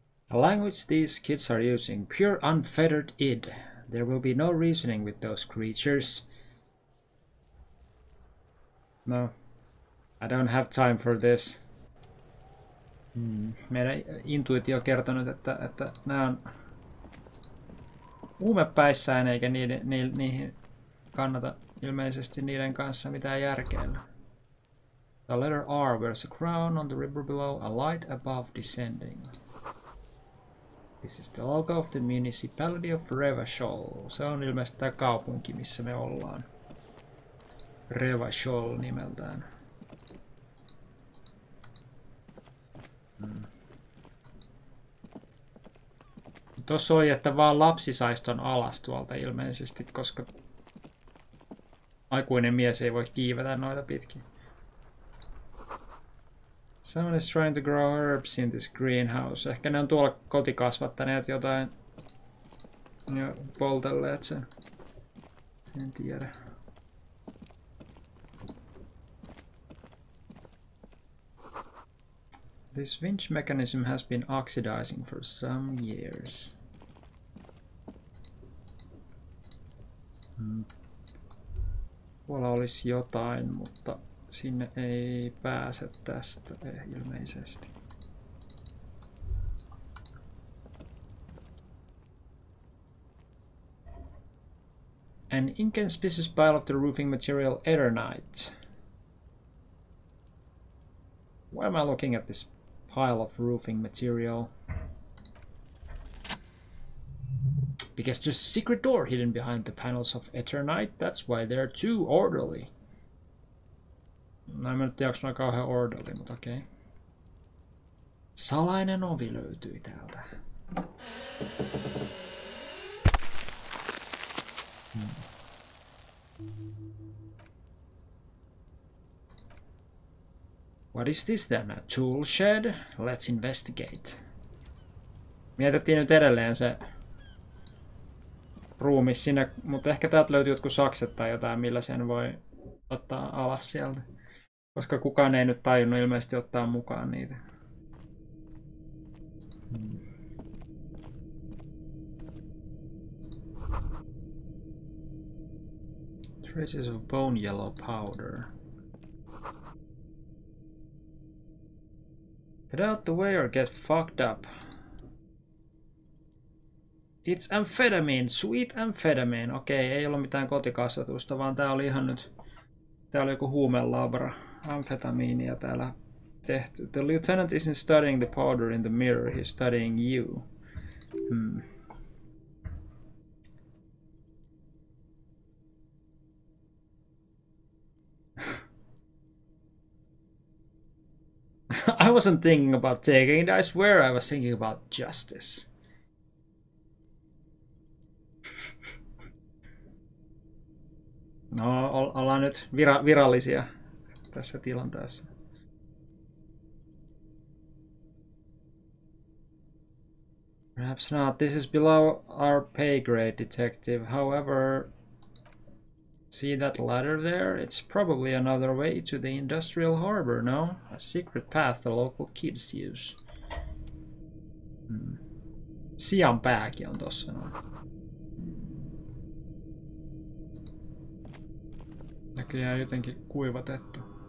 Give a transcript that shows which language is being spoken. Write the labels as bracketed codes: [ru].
[en] The language these kids are using, pure unfettered id. There will be no reasoning with those creatures. No. I don't have time for this. Hmm. [fi] Meidän intuitio on kertonut, että nämä on uumepäissään, eikä niihin kannata ilmeisesti niiden kanssa mitään järkeä. [en] The letter R wears a crown on the river below, a light above descending. This is the logo of the municipality of Revachol. [fi] Se on ilmeisesti tämä kaupunki, missä me ollaan. Revachol nimeltään. Hmm. Tuossa oli, että vaan lapsi saisi ton alas tuolta ilmeisesti, koska aikuinen mies ei voi kiivetä noita pitkin. [en] Someone is trying to grow herbs in this greenhouse. [fi] Ehkä ne on tuolla kotikasvattaneet jotain ja poltelleet sen. En tiedä. [en] This winch mechanism has been oxidizing for some years. [fi] Tuolla olisi jotain, mutta sinne ei pääse tästä ilmeisesti. [en] An inconspicuous pile of the roofing material eternite. Why am I looking at this pile of roofing material? Because there's a secret door hidden behind the panels of eternite. That's why they're too orderly. [fi] No, en mä nyt tiedä, onko noin kauhean orderly, mutta okei. Salainen ovi löytyi täältä. [en] What is this then? A tool shed? Let's investigate. [fi] Mietittiin nyt edelleen se ruumi sinne, mutta ehkä täältä löytyy jotkut sakset tai jotain, millä sen voi ottaa alas sieltä. Koska kukaan ei nyt tajunnut ilmeisesti ottaa mukaan niitä. [en] Traces of bone yellow powder. Get out the way or get fucked up. It's amphetamine, sweet amphetamine. [fi] Okei, ei ollut mitään kotikasvatusta, vaan tää oli ihan nyt... Tää oli joku huumelabra. Amfetamiinia täällä tehty. [en] The lieutenant isn't studying the powder in the mirror, he's studying you. I wasn't thinking about taking it, I swear I was thinking about justice. [fi] No, ollaan nyt virallisia tässä tilanteessa. [en] Perhaps not. This is below our pay grade, detective. However, see that ladder there? It's probably another way to the industrial harbor, no? A secret path the local kids use. [fi] Sian pääkin on tossa noin. Näköjään jotenkin kuivatettu.